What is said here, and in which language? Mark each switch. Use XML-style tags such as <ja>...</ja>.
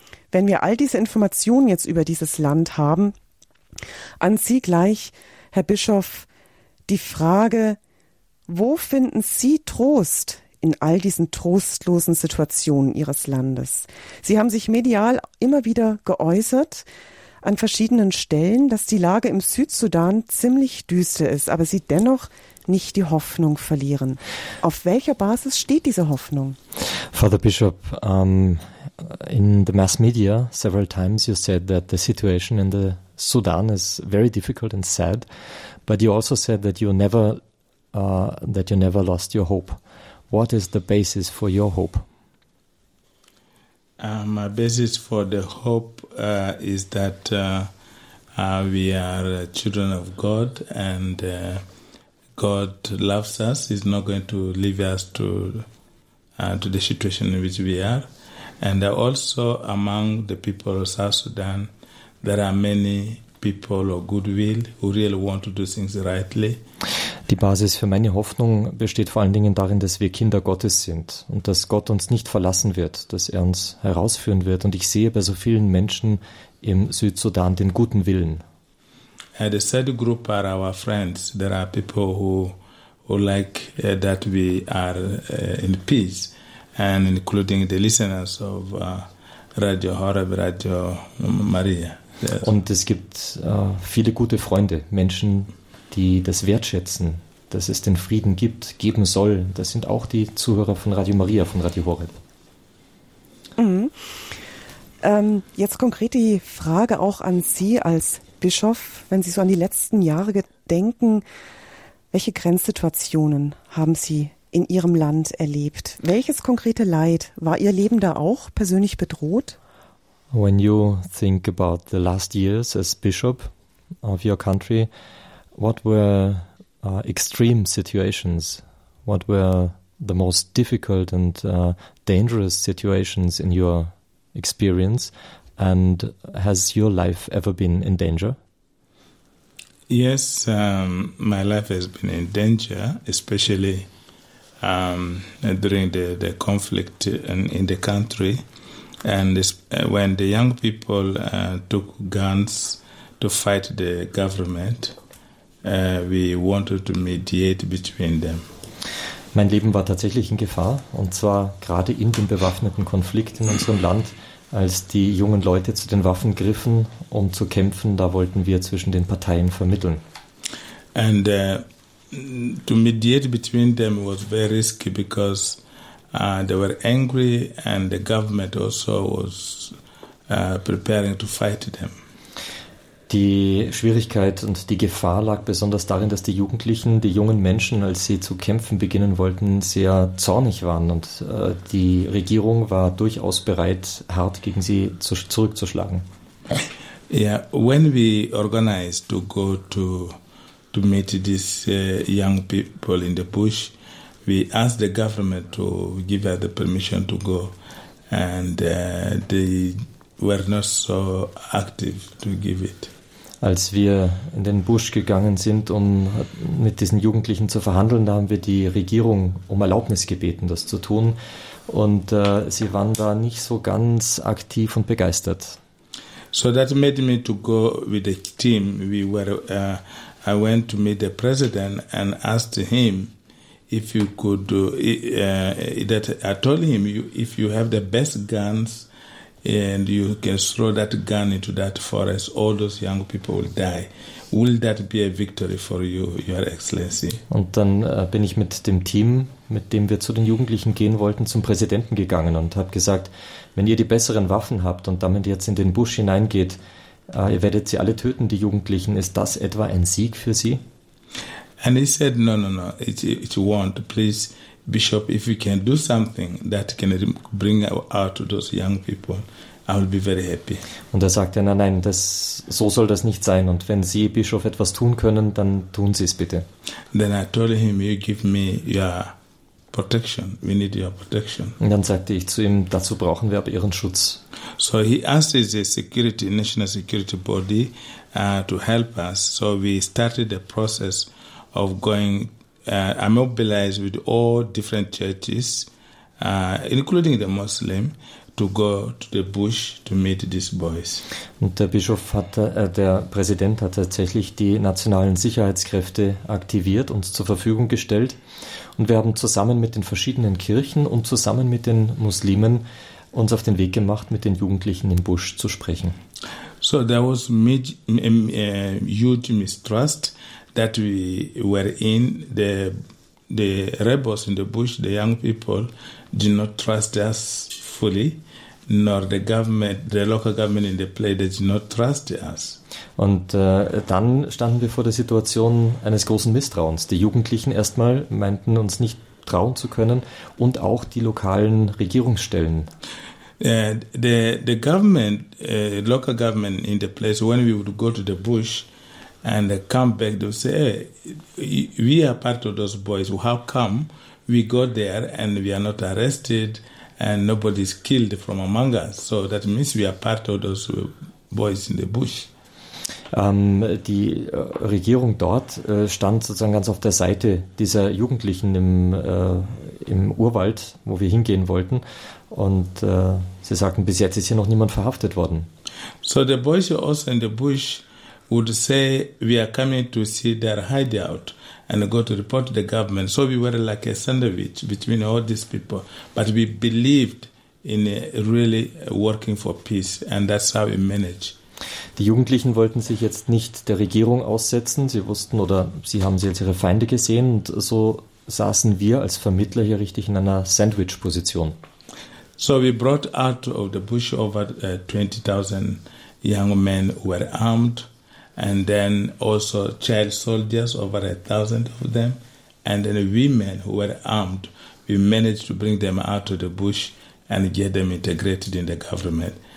<de>Wenn wir all diese Informationen jetzt über dieses Land haben, an Sie gleich, Herr Bischof, die Frage, wo finden Sie Trost in all diesen trostlosen Situationen Ihres Landes? Sie haben sich medial immer wieder geäußert an verschiedenen Stellen, dass die Lage im Südsudan ziemlich düster ist, aber Sie dennoch nicht die Hoffnung verlieren. Auf welcher Basis steht diese Hoffnung?</de> <en>Father Bishop, in the mass media several times you said that the situation in the Sudan is very difficult and sad, but you also said that you never lost your hope. What is the basis for your hope? My basis for the hope is that we are children of God, and God loves us. He's not going to leave us to the situation in which we are. And also among the people of South Sudan, there are many people of goodwill who really want to do things rightly.</en> <de>Die Basis für meine Hoffnung besteht vor allen Dingen darin, dass wir Kinder Gottes sind und dass Gott uns nicht verlassen wird, dass er uns herausführen wird. Und ich sehe bei so vielen Menschen im Südsudan den guten Willen.</de> <en>The third group are our friends. There are people who like that we are in peace, and including the listeners of Radio Horeb, Radio Maria. Yes.</en> <de>Und es gibt viele gute Freunde, Menschen, die das wertschätzen, dass es den Frieden gibt, geben soll. Das sind auch die Zuhörer von Radio Maria, von Radio Horeb. Mhm. Jetzt konkret die Frage auch an Sie als Bischof, wenn Sie so an die letzten Jahre denken, welche Grenzsituationen haben Sie in Ihrem Land erlebt? Welches konkrete Leid? War Ihr Leben da auch persönlich bedroht?</de> <en>When you think about the last years as bishop of your country, what were extreme situations? What were the most difficult and dangerous situations in your experience? And has your life ever been in danger? Yes, my life has been in danger, especially during the conflict in the country. And when the young people took guns to fight the government, we wanted to mediate between them.</en> <de>Mein Leben war tatsächlich in Gefahr, und zwar gerade in dem bewaffneten Konflikt in unserem Land, als die jungen Leute zu den Waffen griffen, um zu kämpfen. Da wollten wir zwischen den Parteien vermitteln.</de> <en>And to mediate between them was very risky because they were angry, and the government also was preparing to fight them.</en> <de>Die Schwierigkeit und die Gefahr lag besonders darin, dass die Jugendlichen, die jungen Menschen, als sie zu kämpfen beginnen wollten, sehr zornig waren, und die Regierung war durchaus bereit, hart gegen sie zurückzuschlagen.</de> <en>Yeah, when we organized to go to meet these young people in the bush, we asked the government to give us the permission to go, and they were not so active to give it.</en> <de>Als wir in den Busch gegangen sind, um mit diesen Jugendlichen zu verhandeln, da haben wir die Regierung um Erlaubnis gebeten, das zu tun, und sie waren da nicht so ganz aktiv und begeistert.</de> <en>So that made me to go with the team. I went to meet the president and asked him if you could that I told him if you have the best guns and you can throw that gun into that forest, all those young people will die. Will that be a victory for you, Your Excellency?</en> <de>Und dann bin ich mit dem Team, mit dem wir zu den Jugendlichen gehen wollten, zum Präsidenten gegangen und habe gesagt, wenn ihr die besseren Waffen habt und damit jetzt in den Busch hineingeht, ihr werdet sie alle töten, die Jugendlichen. Ist das etwa ein Sieg für sie?</de> <en>And he said, no, it won't, please. Bishop, if we can do something that can bring out those young people, I will be very happy.</en> <de>Und er sagte, nein, das, so soll das nicht sein. Und wenn Sie, Bischof, etwas tun können, dann tun Sie es bitte.</de> <en>Then I told him, you give me your protection. We need your protection.</en> <de>Und dann sagte ich zu ihm, dazu brauchen wir aber Ihren Schutz.</de> <en>So he asked the security, national security body, to help us. So we started the process of going. I mobilized with all different churches, including the Muslim, to go to the bush to meet these boys.</en> <de>Und der Bischof hat, der Präsident hat tatsächlich die nationalen Sicherheitskräfte aktiviert und zur Verfügung gestellt. Und wir haben zusammen mit den verschiedenen Kirchen und zusammen mit den Muslimen uns auf den Weg gemacht, mit den Jugendlichen im Busch zu sprechen.</de> <en>So there was huge mistrust. that we were in, the rebels in the bush, the young people, did not trust us fully, nor the government, the local government in the place, they did not trust us.</en> <de>Und dann standen wir vor der Situation eines großen Misstrauens. Die Jugendlichen erstmal meinten, uns nicht trauen zu können, und auch die lokalen Regierungsstellen.</de> <en>The government, local government in the place, when we would go to the bush and come back, they would say, hey, we are part of those boys. How come we go there and we are not arrested and nobody is killed from among us? So that means we are part of those boys in the bush.</en> <de>Die Regierung dort stand sozusagen ganz auf der Seite dieser Jugendlichen im Urwald, wo wir hingehen wollten. Und sie sagten, bis jetzt ist hier noch niemand verhaftet worden.</de> <en>So the boys also in the bush would say, we are coming to see their hideout and go to report to the government. So we were like a sandwich between all these people. But we believed in really working for peace, and that's how we managed.</en> <de>Die Jugendlichen wollten sich jetzt nicht der Regierung aussetzen. Sie wussten, oder sie haben sie als ihre Feinde gesehen. Und so saßen wir als Vermittler hier richtig in einer Sandwich-Position.</de> <en>So we brought out of the bush over 20,000 young men who were armed, and then also child soldiers, over 1,000 of them, and then women who were armed. We managed to bring them out of the bush and get them integrated in the government.</en>